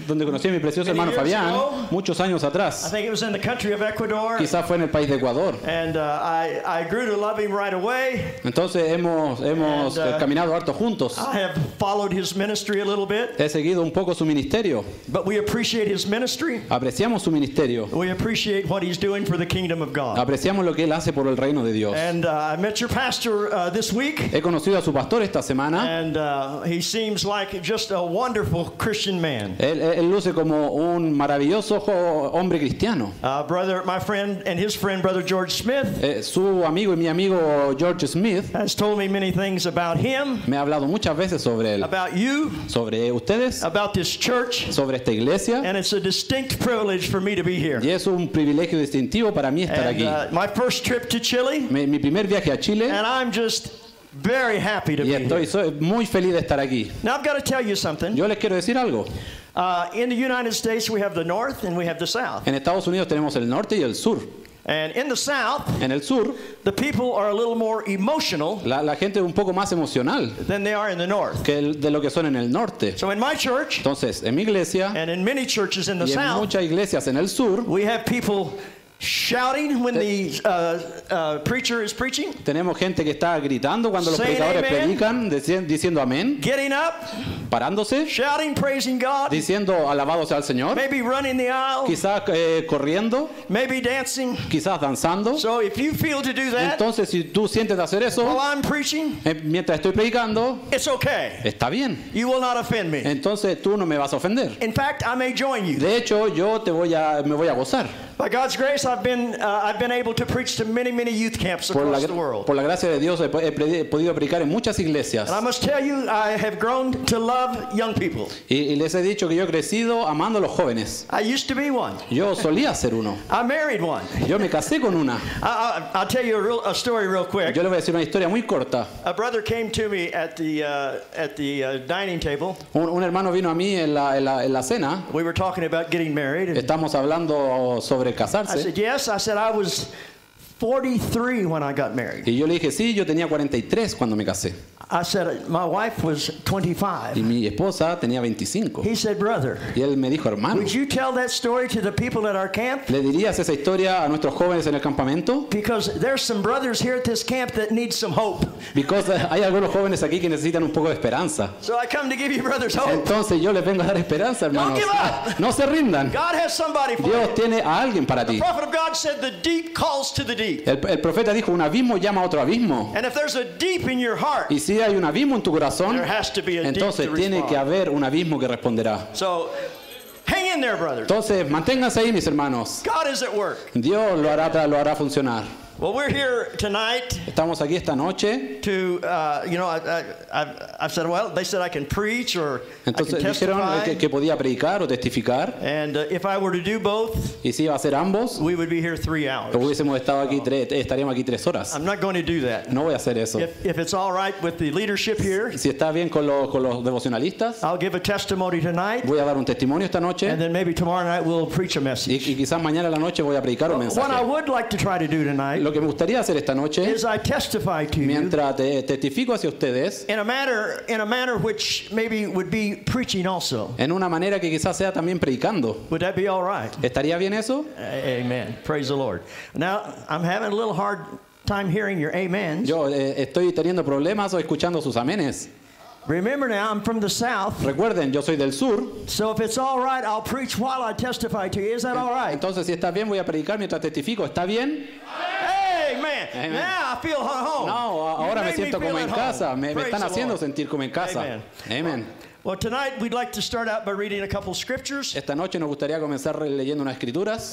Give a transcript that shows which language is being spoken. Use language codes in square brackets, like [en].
[es] Donde conocí a mi precioso hermano Fabián muchos años atrás. [en] I think it was in the country of Ecuador. [es] Quizá fue en el país de Ecuador. [en] And I grew to love him right away. [es] Entonces hemos [en] and, [es] caminado harto juntos. [en] I have followed his ministry a little bit. [es] He seguido un poco su ministerio. [en] But we appreciate his ministry. [es] Apreciamos su ministerio. [en] We appreciate what he's doing for the kingdom of God. [es] Apreciamos lo que él hace por el reino de Dios. [en] And, I met your pastor, this week. [es] He conocido a su pastor esta semana. [en] And, he seems like just a wonderful Christian man. [es] Él luce como un maravilloso hombre cristiano. [en] Brother, my friend and his friend, brother George Smith. [es] Su amigo y mi amigo George Smith. [en] Has told me many things about him. [es] Me ha hablado muchas veces sobre él. [en] About you. [es] Sobre ustedes. [en] About this church. [es] Sobre esta iglesia. [en] And it's a distinct privilege for me to be here. [es] Y es un privilegio distintivo para mí estar aquí. [en] My first trip to Chile, [es] mi primer viaje a Chile, [en] and I'm just very happy to [es] y estoy, [en] be here. [es] Soy muy feliz de estar aquí. [en] Now I've got to tell you something. [es] Yo les quiero decir algo. [en] In the United States, we have the North and we have the South. [es] En Estados Unidos tenemos el norte y el sur. [en] And in the South, [es] en el sur, [en] the people are a little more emotional. [es] La gente es un poco más emocional [en] than they are in the North. [es] Que de lo que son en el norte. [en] So in my church, [es] entonces en mi iglesia, [en] and in many churches in the [es] y en [en] South, [es] muchas iglesias en el sur, [en] we have people shouting when the preacher is preaching. [es] Tenemos gente que está gritando cuando los predicadores predican, diciendo amén. [en] Getting up. [es] Parándose. [en] Shouting, praising God. [es] Diciendo alabado sea el Señor. [en] Maybe running the aisle. [es] Quizás corriendo. [en] Maybe dancing. [es] Quizás danzando. [en] So if you feel to do that. [es] Entonces si tú sientes de hacer eso. [en] While I'm preaching. [es] Mientras estoy predicando. [en] It's okay. [es] Está bien. [en] You will not offend me. [es] Entonces tú no me vas a ofender. [en] In fact, I may join you. [es] De hecho, yo me voy a gozar. [en] By God's grace, I've been able to preach to many, many youth camps across the world. [es] Por la gracia de Dios, he podido predicar en muchas iglesias. [en] And I must tell you, I have grown to love young people. [es] Y les he dicho que yo he crecido amando a los jóvenes. [en] I used to be one. [es] Yo solía ser uno. [en] I married one. [es] Yo me casé con una. [en] I'll tell you a story real quick. [es] Yo le voy a decir una historia muy corta. [en] A brother came to me at the dining table. [es] Un hermano vino a mí en la cena. [en] We were talking about getting married. [es] Estamos hablando sobre casarse. [en] Yes, I said I was 43 when I got married. [es] Y yo le dije, sí, yo tenía 43 cuando me casé. [en] I said my wife was 25. [es] Y mi esposa tenía 25. [en] He said, brother. [es] Y él me dijo, hermano. [en] Would you tell that story to the people at our camp? [es] ¿Le dirías esa historia a nuestros jóvenes en el campamento? [en] Because there's some brothers here at this camp that need some hope. Because [es] hay algunos jóvenes aquí que necesitan un poco de esperanza. [en] So I come to give you brothers hope. [es] Entonces yo les vengo a dar esperanza, hermanos. [en] Don't give up. [es] No se rindan. [en] God has somebody for [es] Dios [en] you. [es] Dios tiene a alguien para ti. [en] The prophet of God said the deep calls to the deep. [es] El profeta dijo un abismo llama a otro abismo. [en] And if there's a deep in your heart. [es] Y si hay un abismo en tu corazón, entonces tiene que haber un abismo que responderá. [en] So, hang in there, brothers. [es] Entonces, manténganse ahí, mis hermanos. [en] God is at work. [es] Dios lo hará funcionar. [en] Well, we're here tonight. [es] Estamos aquí esta noche. [en] To you know, I've said, well, they said I can preach or [es] entonces, [en] I can testify. [es] Entonces dijeron que podía predicar o testificar. [en] And if I were to do both, [es] y si iba a hacer ambos, [en] we would be here 3 hours. [es] Hubiésemos estado aquí estaríamos aquí 3 horas. [en] I'm not going to do that. [es] No voy a hacer eso. [en] If it's all right with the leadership here, [es] si está bien con los devocionalistas, [en] I'll give a testimony tonight. [es] Voy a dar un testimonio esta noche. [en] And then maybe tomorrow night we'll preach a message. [es] Y quizás mañana la noche voy a predicar un mensaje. [en] What I would like to try to do tonight. [es] Lo que me gustaría hacer esta noche, [en] as I testify to [es] mientras testifico hacia ustedes, [en] in a manner which maybe would be preaching also, [es] en una manera que quizás sea también predicando, [en] would that be all right? [es] ¿Estaría bien eso? [en] Amen. Praise the Lord. Now I'm having a little hard time hearing your amens. [es] Yo estoy teniendo problemas o escuchando sus amenes. [en] Remember now, I'm from the south. [es] Recuerden, yo soy del sur. [en] So if it's all right, I'll preach while I testify to you. Is that all right? [es] Entonces, si está bien, voy a predicar mientras testifico. ¿Está bien? [en] Amen. Amen. Now I feel at home. [es] No, ahora me siento como en casa. Me están haciendo sentir como en casa. Amen. [en] Well, tonight we'd like to start out by reading a couple scriptures. [es] Esta noche nos gustaría comenzar leyendo unas escrituras.